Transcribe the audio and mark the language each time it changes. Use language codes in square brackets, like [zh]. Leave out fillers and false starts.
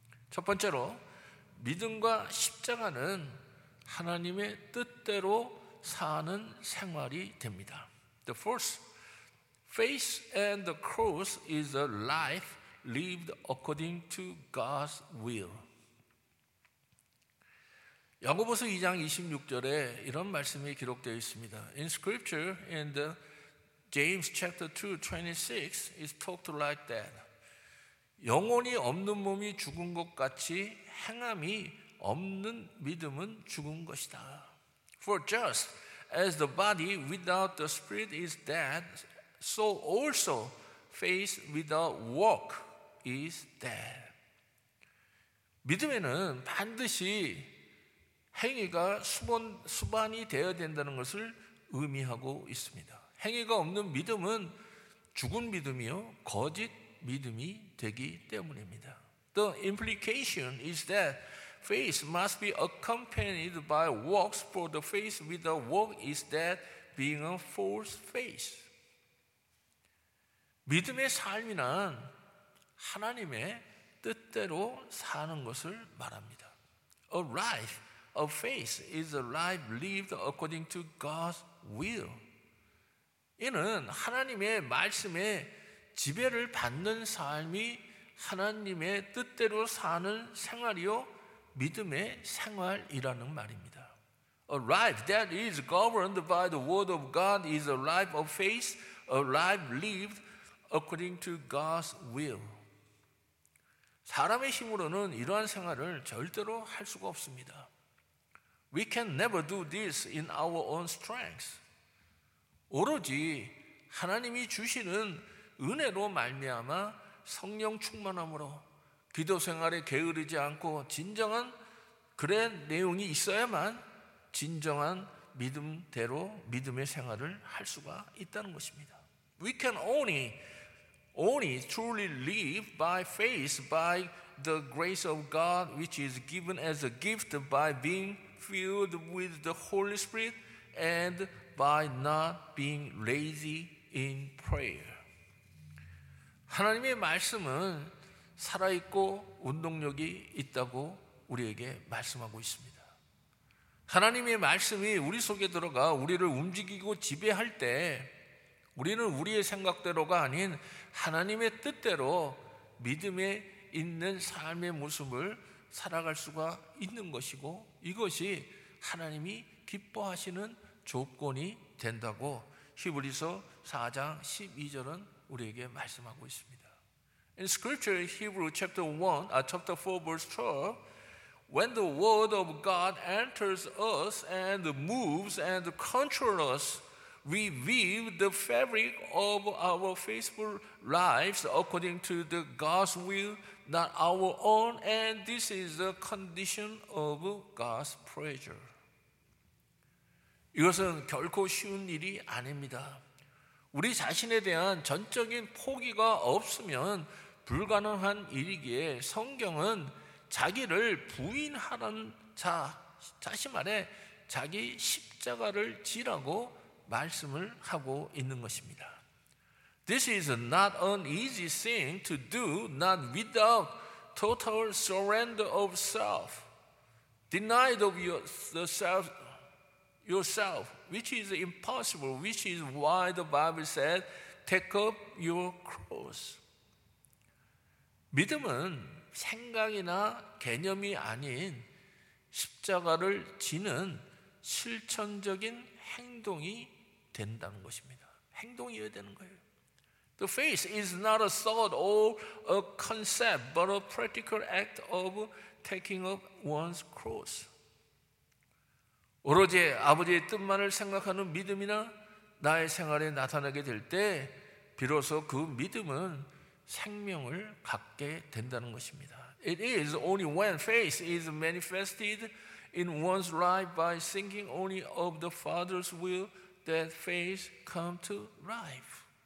[ko] 첫 번째로, 믿음과 십자가는 하나님의 뜻대로 사는 생활이 됩니다. [en] The first, faith and the cross is a life lived according to God's will. [ko] 야고보서 2장 26절에 이런 말씀이 기록되어 있습니다. [en] In scripture, in the James chapter 2, 26, it's talked like that. [ko] 영혼이 없는 몸이 죽은 것 같이 행함이 없는 믿음은 죽은 것이다. [en] For just as the body without the spirit is dead, so also faith without work is dead. [ko] 믿음에는 반드시 행위가 수반이 되어야 된다는 것을 의미하고 있습니다. 행위가 없는 믿음은 죽은 믿음이요, 거짓 믿음이 되기 때문입니다. [en] The implication is that faith must be accompanied by works, for the faith without work is dead, being a false faith. [ko] 믿음의 삶이란 하나님의 뜻대로 사는 것을 말합니다. [en] A life of faith is a life lived according to God's will. [ko] 이는 하나님의 말씀에 지배를 받는 삶이 하나님의 뜻대로 사는 생활이요 믿음의 생활이라는 말입니다. [en] A life that is governed by the word of God is a life of faith, a life lived according to God's will. [ko] 사람의 힘으로는 이러한 생활을 절대로 할 수가 없습니다. [en] We can never do this in our own strength. [ko] 오로지 하나님이 주시는 은혜로 말미암아 성령 충만함으로 기도 생활에 게으르지 않고 진정한 그래 내용이 있어야만 진정한 믿음대로 믿음의 생활을 할 수가 있다는 것입니다. [en] We can only truly live by faith by the grace of God which is given as a gift by being filled with the Holy Spirit and by not being lazy in prayer. [ko] 하나님의 말씀은 살아있고 운동력이 있다고 우리에게 말씀하고 있습니다. 하나님의 말씀이 우리 속에 들어가 우리를 움직이고 지배할 때 우리는 우리의 생각대로가 아닌 하나님의 뜻대로 믿음에 있는 삶의 모습을 살아갈 수가 있는 것이고 이것이 하나님이 기뻐하시는 조건이 된다고 히브리서 4장 12절은 우리에게 말씀하고 있습니다. [en] In scripture, Hebrew chapter 1, chapter 4, verse 12, when the word of God enters us and moves and controls us, we weave the fabric of our faithful lives according to the God's will, not our own, and this is the condition of God's pleasure. [ko] 이것은 결코 쉬운 일이 아닙니다. 우리 자신에 대한 전적인 포기가 없으면 불가능한 일이기에 성경은 자기를 부인하는 자, 다시 말해 자기 십자가를 지라고 말씀을 하고 있는 것입니다. [en] This is not an easy thing to do, not without total surrender of self, denied of yourself, which is impossible, which is why the Bible said, take up your cross. [ko] 믿음은 생각이나 개념이 아닌 십자가를 지는 실천적인 행동이 된다는 것입니다. 행동이어야 되는 거예요. [en] The faith is not a thought or a concept, but a practical act of taking up one's cross. [ko] 오로지 아버지의 뜻만을 생각하는 믿음이나 나의 생활에 나타나게 될 때 비로소 그 믿음은 생명을 갖게 된다는 것입니다. [en] It is only when faith is manifested in one's life by thinking only of the Father's will that faith comes to life.